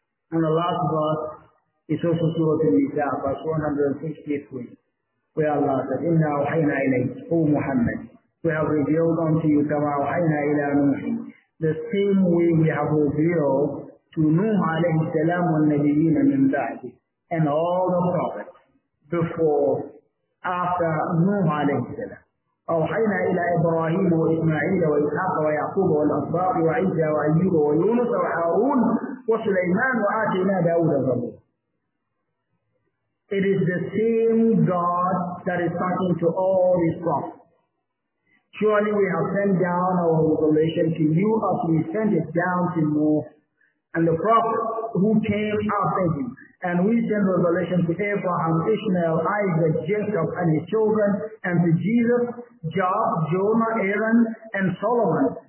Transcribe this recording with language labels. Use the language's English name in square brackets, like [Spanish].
[English] And the last verse is also Surah Al-Nisa, verse 153, where Allah says, [Arabic] إِنَّا أَوْحَيْنَا إِلَيْكَ, [English] O Muhammad, we have revealed unto you, [Arabic] كَمَا أَوْحَيْنَا إِلَىٰ نُوحٍ, [English] the same way we have revealed to Nuh alayhi salam [Arabic] wa nabiyyina min ba'di, [English] and all the prophets before, after Nuh alayhi salam. [Arabic] أوحينا إلى إبراهيم وإسماعيل وإسحاق ويعقوب والأسباط وعيسى وأيوب ويونس وحارون وسليمان وآتينا داود الزبور. [English] It is the same God that is talking to all his prophets. Surely we have sent down our revelation to you as we sent it down to Noah and the prophets who came after him. And we send revelation to Abraham, Ishmael, Isaac, Jacob, and his children, and to Jesus, Job, Jonah, Aaron, and Solomon.